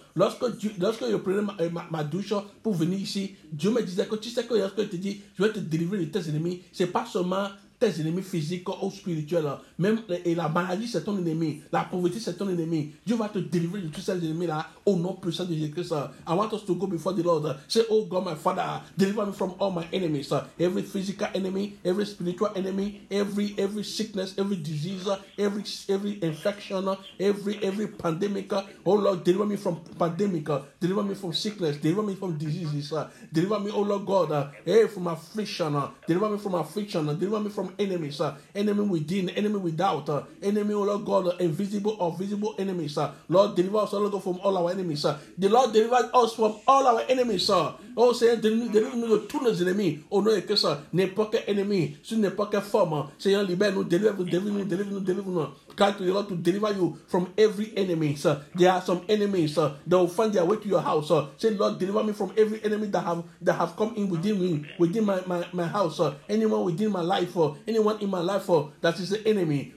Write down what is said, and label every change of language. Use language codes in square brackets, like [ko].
[fr] Lorsque je prenais ma douche pour venir ici, Dieu me disait que tu sais que lorsque je te dis, je vais te délivrer de tes ennemis, c'est pas seulement tes ennemis physiques ou spirituels. Même et la maladie, c'est ton ennemi. La pauvreté, c'est ton ennemi. Dieu va te délivrer de tous ces ennemis-là au nom puissant de Jésus-Christ. [en] I want us to go before the Lord. Say, oh God, my Father, deliver me from all my enemies. Every physical enemy, every spiritual enemy, every sickness, every disease, every infection, every pandemic. Oh Lord, deliver me from pandemic. Deliver me from sickness. Deliver me from diseases. Deliver me, oh Lord God, from affliction. Deliver me from affliction. Deliver me from enemies, enemy within, enemy without, enemy, oh Lord God, invisible or visible enemies. Lord, deliver us, oh Lord God, from all our enemies. The Lord deliver us from all our enemies. [fr] Oh, Seigneur, délivre nous de tous nos ennemis. Au nom de Christ, n'importe quel ennemi, sur n'importe quelle forme. Seigneur, libère nous, délivre nous. [en] Cry to the Lord to deliver you from every enemy. There are some enemies that will find their way to your house. Say, Lord, deliver me from every enemy that have come in within me, within my house. Anyone within my life, anyone in my life that is the enemy.